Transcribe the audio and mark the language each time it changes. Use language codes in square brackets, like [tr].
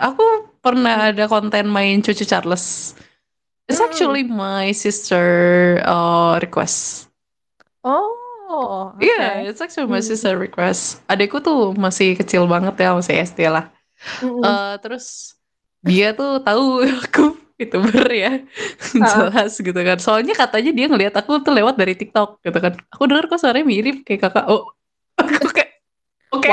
[id] Aku pernah ada konten main Cucu Charles. [en] It's actually my sister request. Oh, Yeah, okay. it's actually my sister request. [id] Adekku tuh masih kecil banget ya, masih SD lah. Terus dia tuh tahu aku YouTuber ya. Jelas gitu kan. Soalnya katanya dia ngelihat aku tuh lewat dari TikTok gitu kan. Aku dengar kok suaranya mirip kayak kakak. Oh, aku kayak oke okay,